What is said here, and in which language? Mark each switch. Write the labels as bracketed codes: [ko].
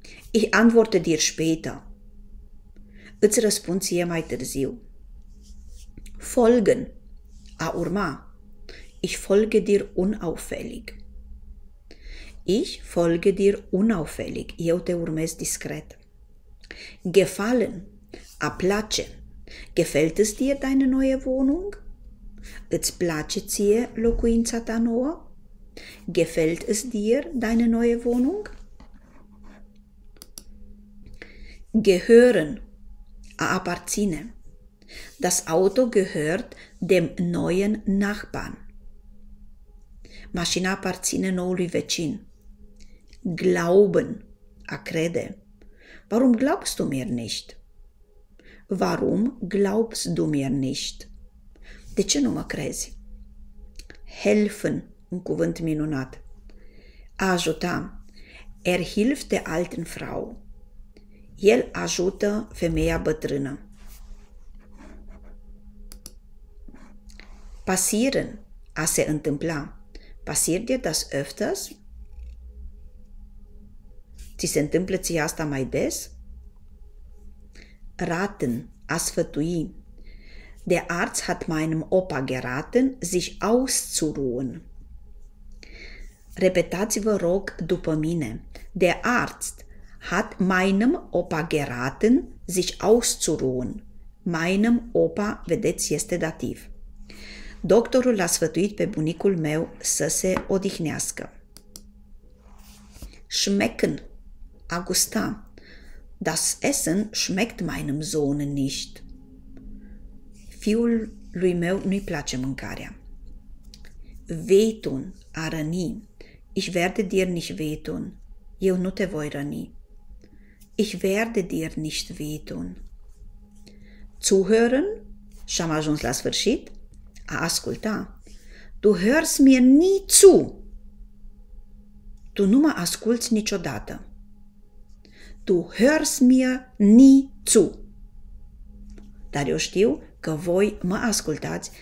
[de] Ich antworte dir später. [ro] Îți răspund ție mai târziu. [de] Folgen, [ro] a urma. [de] Ich folge dir unauffällig. Ich folge dir unauffällig. [ro] Eu te urmez discret. [de] Gefallen. [ro] A place. [de] Gefällt es dir deine neue Wohnung? [ro] Îți place ție locuința ta nouă? [de] Gefällt es dir deine neue Wohnung? Gehören. [ro] A aparține. [de] Das Auto gehört dem neuen Nachbarn. [ro] Mașina aparține noului vecin. [de] Glauben, [ro] a crede. [de] Warum glaubst du mir nicht? Warum glaubst du mir nicht? [ro] De ce nu mă crezi? [de] Helfen, [ro] un cuvânt minunat. A ajuta. [de] Er hilft der alten Frau. [ro] El ajută femeia bătrână. [de] Passieren, [ro] a se întâmpla. [de] Passiert dir das öfters? [ro] Ți se întâmplă ție asta mai des? [de] Raten, [ro] a sfătui. [de] Der Arzt hat meinem Opa geraten, sich auszuruhen. [ro] Repetați-vă, rog, după mine. [de] Der Arzt hat meinem Opa geraten, sich auszuruhen. Meinem Opa, [ro] vedeți, este dativ. Doctorul l-a sfătuit pe bunicul meu să se odihnească. [de] Schmecken, [ro] a gusta. [de] Das Essen schmeckt meinem Sohn nicht. [ro] Fiul lui meu nu-i place mâncarea. [de] Wehtun, [ro] a răni. [de] Ich werde dir nicht wehtun. [ro] Eu nu te voi răni. [de] Ich werde dir nicht wehtun. Zuhören, [ro] și-am ajuns la sfârșit. A asculta. [de] Du hörst mir nie zu. [ro] Tu nu mă asculți niciodată. [de] Du hörst mir nie zu. [ro] Dar eu știu că voi mă ascultați.